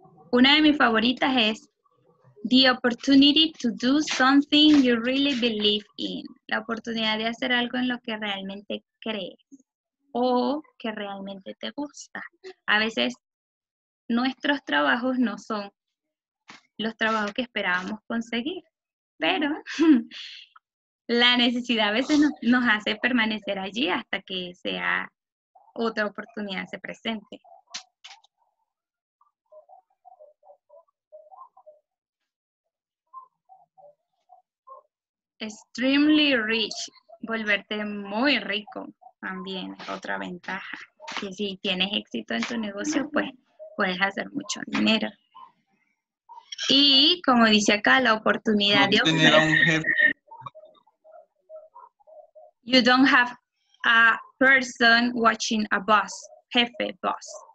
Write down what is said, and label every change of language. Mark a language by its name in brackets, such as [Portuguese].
[Spanish] Una de mis favoritas es [English] the opportunity to do something you really believe in. [Spanish] La oportunidad de hacer algo en lo que realmente crees o que realmente te gusta. A veces nuestros trabajos no son los trabajos que esperábamos conseguir. Pero la necesidad a veces nos hace permanecer allí hasta que sea otra oportunidad se presente. [English] Extremely rich, [Spanish] volverte muy rico también, otra ventaja. Que si tienes éxito en tu negocio, pues puedes hacer mucho dinero. Y, como dice acá, la oportunidad de obtener. [English] You don't have a person watching a boss, jefe, boss.